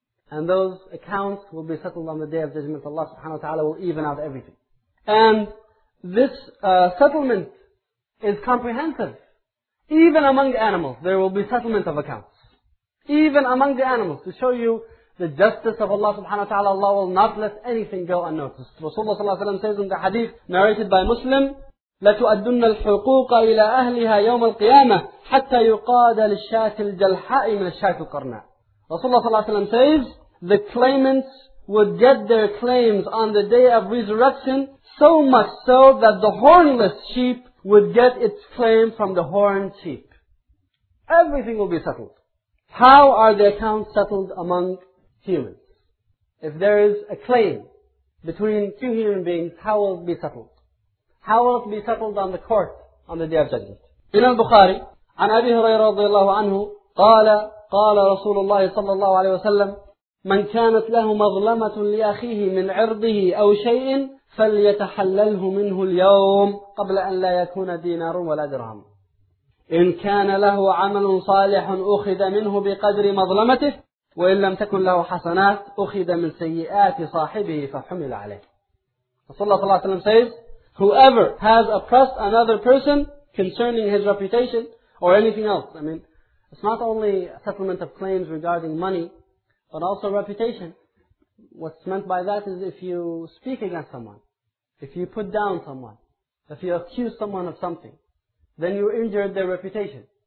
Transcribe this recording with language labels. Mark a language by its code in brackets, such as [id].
[en] And those accounts will be settled on the day of judgment. Allah subhanahu wa ta'ala will even out everything. And this settlement is comprehensive. Even among animals, there will be settlement of accounts. Even among the animals, to show you the justice of Allah subhanahu wa ta'ala, Allah will not let anything go unnoticed. Rasulullah sallallahu alayhi wa sallam says in the hadith narrated by Muslim, [ar] لَتُؤَدُّنَّ الْحُقُوقَ إِلَىٰ أَهْلِهَا يَوْمَ الْقِيَامَةِ حَتَّى يُقَادَ لِلشَّاةِ الْجَلْحَاءِ مِنَ الشَّاةِ الْقَرْنَةِ. [en] Rasulullah sallallahu alayhi wa sallam says, the claimants would get their claims on the day of resurrection so much so that the hornless sheep would get its claim from the horned sheep. Everything will be settled. How are the accounts settled among humans? If there is a claim between two human beings, how will it be settled? How will it be settled on the court on the Day of Judgment? In al-Bukhari, [ar] عن أبي هريرة رضي الله عنه قال قال رسول الله صلى الله عليه وسلم من كانت له مظلمة لأخيه من عرضه أو شيء فليتحلله منه اليوم قبل أن لا يكون دينار ولا درهم. إن كان له عمل صالح أخذ منه بقدر مظلمته وإن لم تكن له حسنات أخذ من سيئات صاحبه فحمل عليه. [en] Rasulullah [ar] صلى الله عليه وسلم [en] says, whoever has oppressed another person concerning his reputation or anything else. I mean, it's not only a settlement of claims regarding money, but also reputation. What's meant by that is if you speak against someone, if you put down someone, if you accuse someone of something, then you injured their reputation.